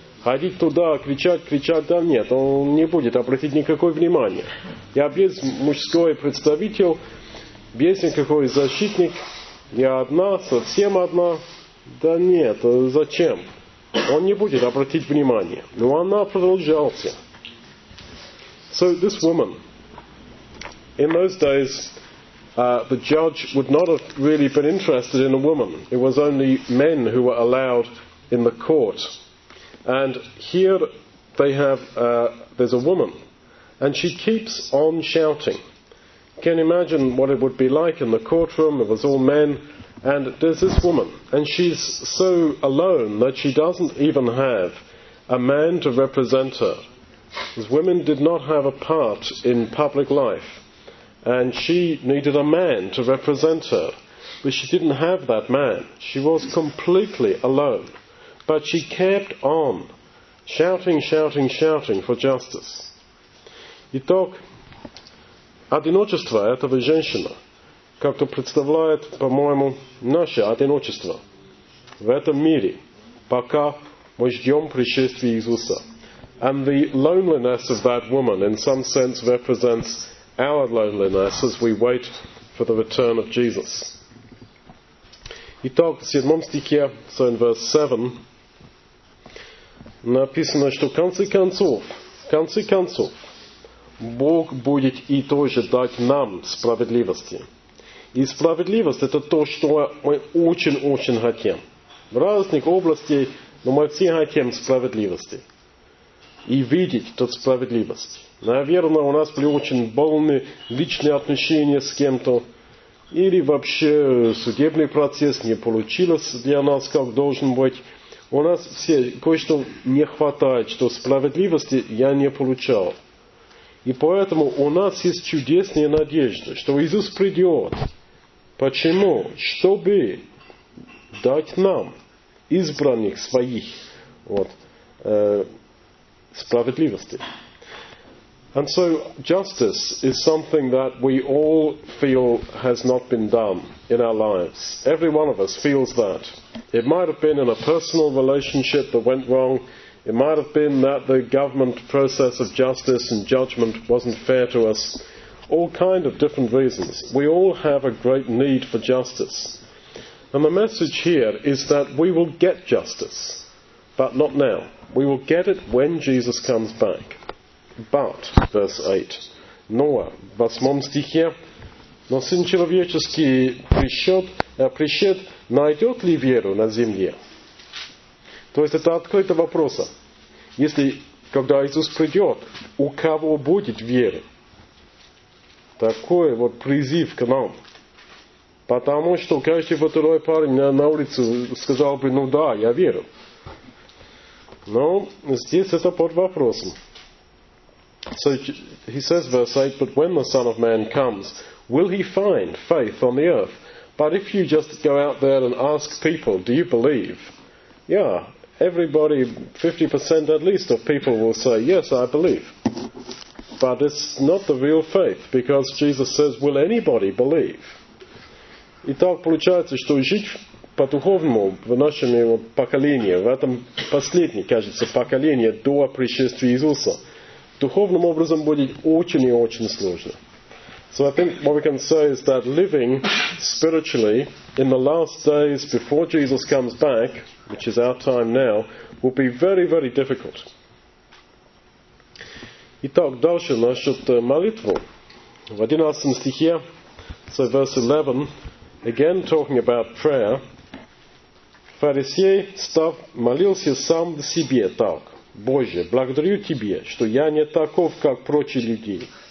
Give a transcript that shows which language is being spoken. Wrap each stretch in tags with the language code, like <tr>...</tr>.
<ru>Ходить туда, кричать, да нет, он не будет обратить никакое внимание. Я без мужской представитель, без никакой защитник, я одна, совсем одна. Да нет, зачем? Он не будет обратить внимание. Но она продолжалась.</ru> <en>So this woman, in those days, the judge would not have really been interested in a woman. It was only men who were allowed in the court. And here they have, there's a woman, and she keeps on shouting. Can you imagine what it would be like in the courtroom? It was all men, and there's this woman, and she's so alone that she doesn't even have a man to represent her. Because women did not have a part in public life, and she needed a man to represent her. But she didn't have that man. She was completely alone. But she kept on shouting for justice.</en> <ru>Итак, одиночество этого женщины как-то представляет, по-моему, наше одиночество в этом мире, пока мы ждем пришествия Иисуса.</ru> <en>And the loneliness of that woman in some sense represents our loneliness as we wait for the return of Jesus.</en> <ru>Итак, в 7 стихе,</ru> <en>so in verse 7,</en> <ru>написано, что в конце концов, Бог будет и тоже дать нам справедливости. И справедливость – это то, что мы очень-очень хотим. В разных областях, но мы все хотим справедливости. И видеть эту справедливость. Наверное, у нас были очень больные личные отношения с кем-то. Или вообще судебный процесс не получился для нас, как должен быть. У нас все кое-что не хватает, что справедливости я не получал. И поэтому у нас есть чудесная надежда, что Иисус придет. Почему? Чтобы дать нам, избранных своих, справедливости.</ru> <en>And so justice is something that we all feel has not been done in our lives. Every one of us feels that. It might have been in a personal relationship that went wrong. It might have been that the government process of justice and judgment wasn't fair to us. All kind of different reasons. We all have a great need for justice. And the message here is that we will get justice, but not now. We will get it when Jesus comes back. But, verse 8,</en> <ru>но, в 8 стихе, но Сын Человеческий пришед, найдет ли веру на земле? То есть это открытый вопрос. Если, когда Иисус придет, у кого будет вера? Такой вот призыв к нам. Потому что каждый второй парень на улице сказал бы, ну да, я верю. Но здесь это под вопросом.</ru> <en>So he says verse 8, but when the Son of Man comes, will he find faith on the earth? But if you just go out there and ask people, do you believe? Yeah, everybody, 50% at least of people will say, yes, I believe. But it's not the real faith, because Jesus says, will anybody believe?</en> <ru>Итак, получается, что жить по-духовному в нашем поколении, в этом последнем, кажется, поколении до пришествия Иисуса, духовным образом будет очень и очень сложно.</ru> <en>So I think what we can say is that living spiritually in the last days before Jesus comes back, which is our time now, will be very, very difficult.</en> <ru>Итак, дальше насчет молитвы. В 11 стихе,</ru> <en>so verse 11, again talking about prayer,</en> <ru>фарисей став молился сам в себе так. Боже, благодарю Тебе, что я не таков, как прочие люди.</ru>